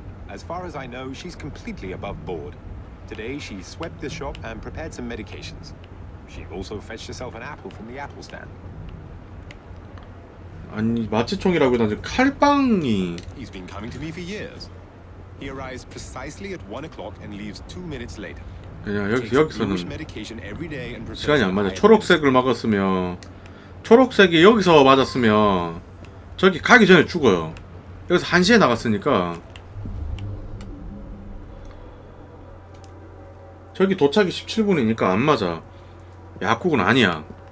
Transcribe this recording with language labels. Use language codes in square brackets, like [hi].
[en] As far as I know, she's completely above board. Today she swept the shop and prepared some medications. She also fetched herself an apple from the apple stand. [ko] 아니, 마취총이라고 해도 칼빵이 [en] He's been coming to me for years. He arrives precisely at 1 o'clock and leaves 2 minutes later. [ko] 그냥 여기서는 시간이 안 맞아. 초록색을 막았으면 초록색이 여기서 맞았으면 저기 가기 전에 죽어요. 여기서 1시에 나갔으니까 저기 도착이 17분이니까 안 맞아. 약국은 아니야.